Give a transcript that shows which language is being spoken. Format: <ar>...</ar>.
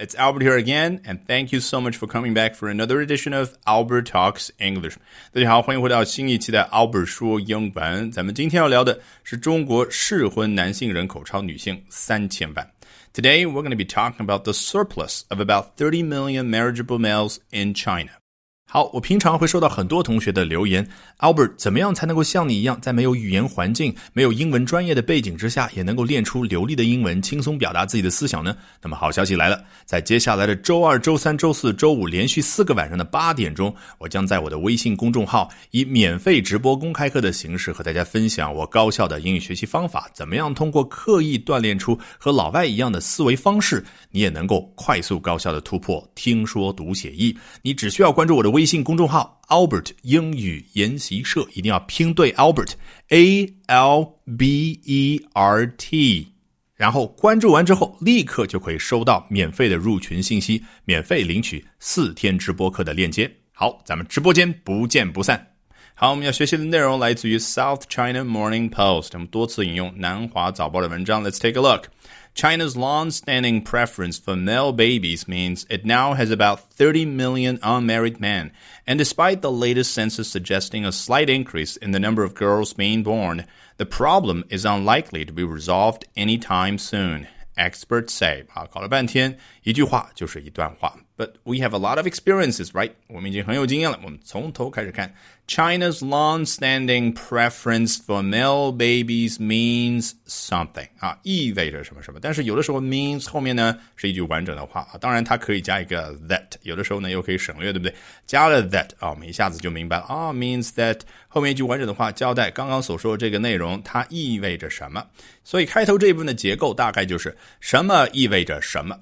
<en>It's Albert here again, and thank you so much for coming back for another edition of Albert Talks English.</en> <zh>大家好，欢迎回到新一期的 Albert 说英文。咱们今天要聊的是中国适婚男性人口超女性3000万。</zh> <en>Today, we're going to be talking about the surplus of about 30 million marriageable males in China.</en> <zh>好，我平常会收到很多同学的留言， Albert, 怎么样才能够像你一样，在没有语言环境、没有英文专业的背景之下，也能够练出流利的英文，轻松表达自己的思想呢？那么好消息来了，在接下来的周二、周三、周四、周五连续四个晚上的8点钟，我将在我的微信公众号以免费直播公开课的形式和大家分享我高效的英语学习方法，怎么样通过刻意锻炼出和老外一样的思维方式，你也能够快速高效的突破听说读写译。你只需要关注我的微信公众号 Albert 英语研习社，一定要拼对 Albert A-L-B-E-R-T， 然后关注完之后立刻就可以收到免费的入群信息，免费领取4天直播课的链接。好，咱们直播间不见不散。好，我们要学习的内容来自于 South China Morning Post， 他们多次引用南华早报的文章。</zh> <en>Let's take a look。 China's long-standing preference for male babies means it now has about 30 million unmarried men, and despite the latest census suggesting a slight increase in the number of girls being born, the problem is unlikely to be resolved anytime soon, experts say.</en> <zh>好，搞了半天，一句话就是一段话。</zh> <en>But we have a lot of experiences, right?</en> <zh>我们已经很有经验了，我们从头开始看。</zh> <en>China's long-standing preference for male babies means something.</en> <zh>啊，意味着什么什么。但是有的时候 means 后面呢是一句完整的话。啊，当然它可以加一个 that， 有的时候呢又可以省略，对不对？加了 that， 啊，我们一下子就明白了。啊， means that 后面一句完整的话交代刚刚所说的这个内容它意味着什么。所以开头这一部分的结构大概就是什么意味着什么。</zh>